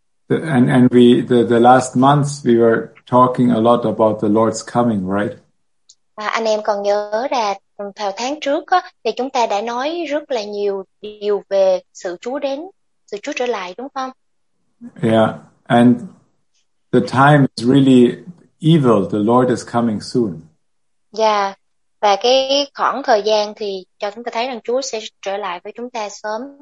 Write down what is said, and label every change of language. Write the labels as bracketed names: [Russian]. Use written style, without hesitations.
[English] And the last months we were talking a lot about the Lord's coming, right? [Vietnamese] À, anh em còn nhớ là vào tháng trước á, thì chúng ta đã nói rất là nhiều điều về sự Chúa đến, sự Chúa trở lại, đúng không? [English] Yeah, and the time is really evil. The Lord is coming soon. [Vietnamese] Yeah, và cái khoảng thời gian thì cho chúng ta thấy rằng Chúa sẽ trở lại với chúng ta sớm.